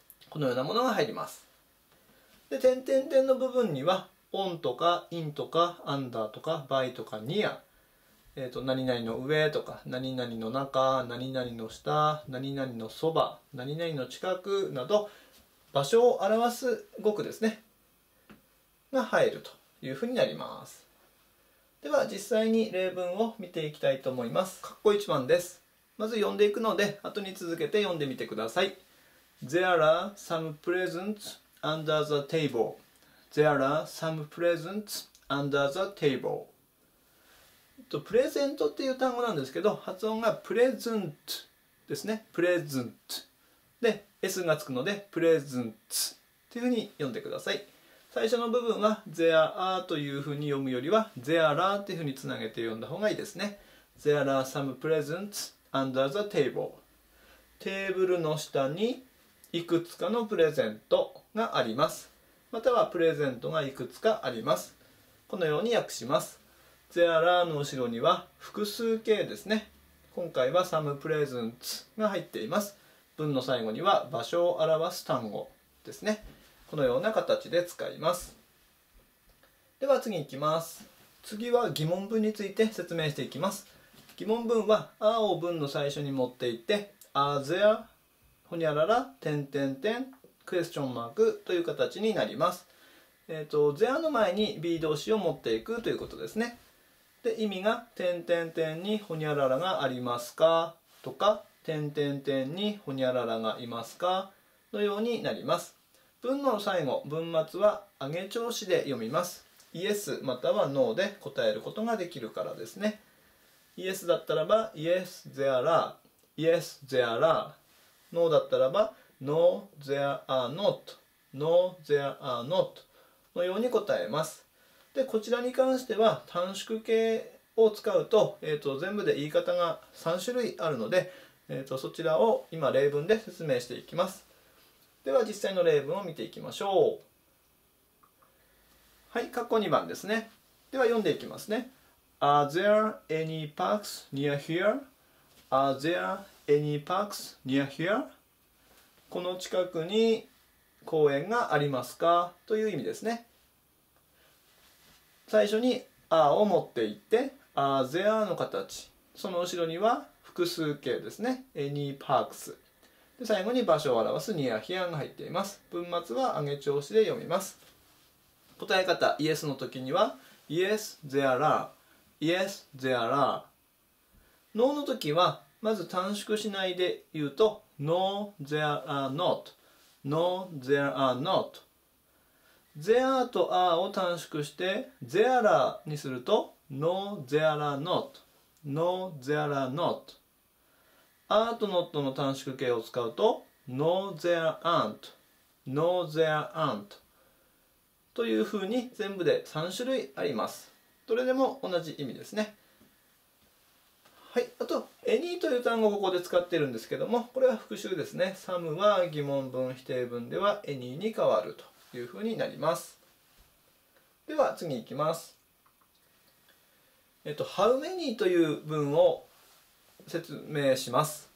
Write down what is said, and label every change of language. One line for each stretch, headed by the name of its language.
Japanese: このようなものが入ります。で、点点点の部分には on とか in とか under とか by とか near、何々の上とか何々の中、何々の下、何々のそば、何々の近くなど、場所を表す語句ですねが入るとというふうになります。では実際に例文を見ていきたいと思います。括弧1番です。まず読んでいくので後に続けて読んでみてください。
English: There are some presents under the table. There are some presents under the table.
Japanese: プレゼントっていう単語なんですけど、発音がプレゼントですね。プレゼントで S がつくのでプレゼントっていうふうに読んでください。最初の部分は There are というふうに読むよりは There are っていうふうにつなげて読んだ方がいいですね。
English: There are some presents under the table.
Japanese: テーブルの下にいくつかのプレゼントがあります、またはプレゼントがいくつかあります。このように訳します。There are の後ろには複数形ですね。今回は some presents が入っています。文の最後には場所を表す単語ですね。このような形で使います。では次いきます。次は疑問文について説明していきます。疑問文は are を文の最初に持っていて are there ほにゃらら…点点点クエスチョンマークという形になります。 there の前に be 動詞を持っていくということですね。で意味が点点点にほにゃららがありますかとか点点点にほにゃららがいますかのようになります。文の最後、文末は上げ調子で読みます。 yes または no で答えることができるからですね。
English: yes
Japanese: だったらば
English: yes there are yes there are、 no だったらば no there are not no there are not
Japanese: のように答えます。でこちらに関しては短縮形を使う と、全部で言い方が3種類あるので、そちらを今例文で説明していきます。では実際の例文を見ていきましょう。はい、括弧2番ですね。では読んでいきますね。
English: Are there any parks near here? Are there any parks near here?
Japanese: この近くに公園がありますかという意味ですね。最初に Are を持っていって Are there の形、その後ろには複数形ですね。 Any parks、で最後に場所を表す near here が入っています。文末は上げ調子で読みます。答え方
English: yes
Japanese: の時には
English: yes there are yes there are、 no
Japanese: の時はまず短縮しないで言うと
English: no there are not no there are not、 there と are
Japanese: を短縮して
English: there are
Japanese: にすると
English: no there are not no there are notAre と not
Japanese: の短縮形を使うと
English: No there aren't No there aren't
Japanese: というふうに全部で3種類あります。どれでも同じ意味ですね。はい、あと Any という単語をここで使っているんですけども、これは復習ですね。 Some は疑問文否定文では Any に変わるというふうになります。では次いきます。How many という文を説明します。